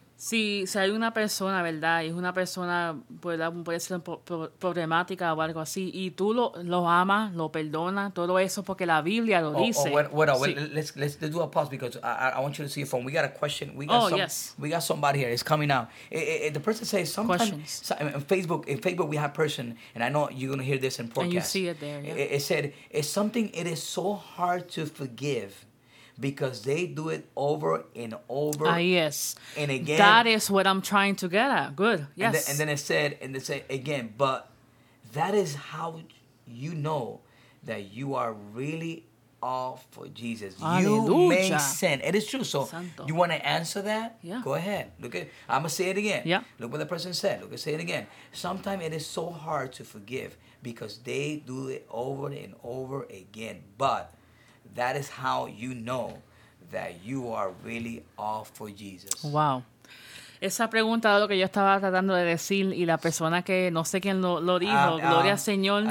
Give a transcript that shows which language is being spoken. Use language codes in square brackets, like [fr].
[es] Si hay una persona, ¿verdad? Y es una persona, ¿verdad? Puede ser problemática o algo así, y tú lo amas, lo perdonas, todo eso porque la Biblia lo dice. [en] Let's do a pause because I want you to see your phone. We got a question. We got somebody here. It's coming out. The person says sometimes in Facebook we have a person, and I know you're going to hear this in podcast. And you see it there. Yeah. It said, it's something, it is so hard to forgive. Because they do it over and over. Yes. And again. That is what I'm trying to get at. Good. Yes. And then it said again, but that is how you know that you are really all for Jesus. [es] Aleluya. [en] You may sin. It is true. So [es] Santo. [en] You want to answer that? Yeah. Go ahead. Look at, I'm going to say it again. Yeah. Look what the person said. Look, say it again. Sometimes it is so hard to forgive because they do it over and over again. But that is how you know that you are really all for Jesus. Wow. [es] Esa pregunta es lo que yo estaba tratando de decir y la persona que no sé quién lo dijo, Gloria Señor.